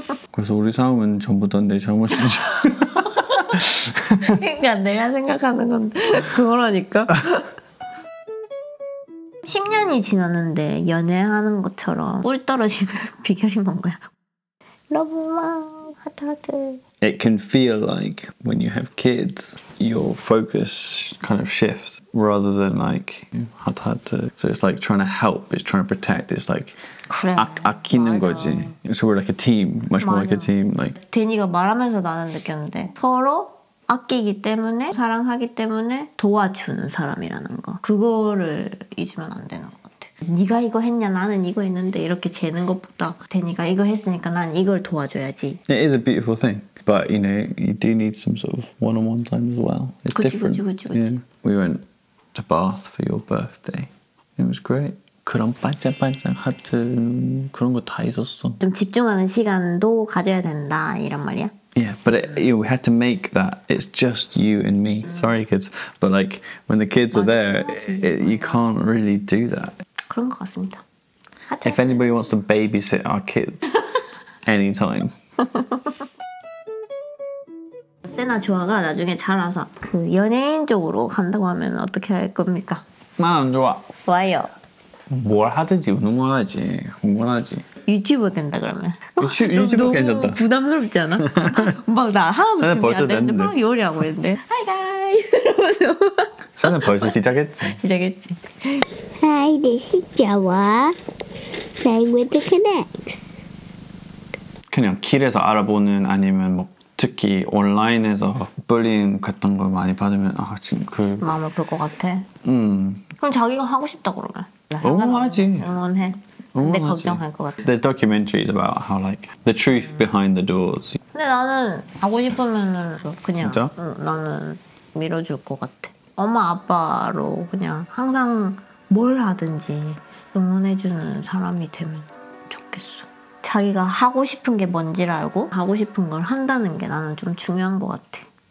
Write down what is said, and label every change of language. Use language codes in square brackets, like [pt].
[ko] 그래서 우리 싸움은 전부 다 내 잘못이지. 그러니까 내가 생각하는 건 그거라니까. 10년이 지났는데 연애하는 것처럼 꿀 떨어지는 비결이 뭔가요? 러브망 하트하트. [en] It can feel like when you have kids, your focus kind of shifts rather than like hot. So it's like trying to help, it's trying to protect, it's like [ko] 그래, 아끼는 맞아. 거지. [en] So we're like a team, much [ko] 맞아. [en] More like a team. Like [ko] 데니가 말하면서 나는 느꼈는데 서로 아끼기 때문에 사랑하기 때문에 도와주는 사람이라는 거. 그거를 잊으면 안 되는 거. 네가 이거 했냐 나는 이거 했는데 이렇게 재는 것보다 데니가 이거 했으니까 난 이걸 도와줘야지. [en] It is a beautiful thing, but you know you do need some sort of one-on-one time as well. It's [ko] 그치, [en] different. [ko] 그치. [en] We went to Bath for your birthday. It was great. [ko] 그런 반짝반짝 하트 그런 거 다 있었어. 좀 집중하는 시간도 가져야 된다 이런 말이야. [en] Yeah, but we had to make that. It's just you and me. Sorry, kids, but like when the kids [ko] 맞아, [en] are there, you can't really do that. [ko] 그런 것 같습니다. 하트. [en] If anybody wants to babysit our kids anytime. [ko] 세나 조아가 나중에 자라서 그 연예인 쪽으로 간다고 하면 어떻게 할 겁니까? 난 안 좋아. 왜요? 뭘 하든지 응원하지. 응원하지. 유튜버 된다 그러면. 유튜버 괜찮다. 너무 부담스럽지 않아? 막 나 하나도 준비 안 됐는데 됐는데. 막 요리 하고 있는데. [en] 하이 가이즈 [ko] 이러면서. 사는 벌써 시작했지. 시작했지. [en] Hi, this is Jawa. Playing with the Kinects. [ko] 그냥 길에서 알아보는 아니면 뭐 특히 온라인에서 불링 같은 걸 많이 받으면 아 지금 그 마음 아플 것 같아. 그럼 자기가 하고 싶다 그러면. 응원하지. 응원해. 근데 걱정할 것 같아. [en] There's documentaries about how like the truth behind the doors. [ko] 근데 나는 하고 싶으면은 그냥. 진짜? 응, 나는 밀어줄 것 같아. 엄마 아빠로 그냥 항상 뭘 하든지 응원해주는 사람이 되면 좋겠어. 자기가 하고 싶은 게 뭔지 알고 하고 싶은 걸 한다는 게 나는 좀 중요한 것 같아.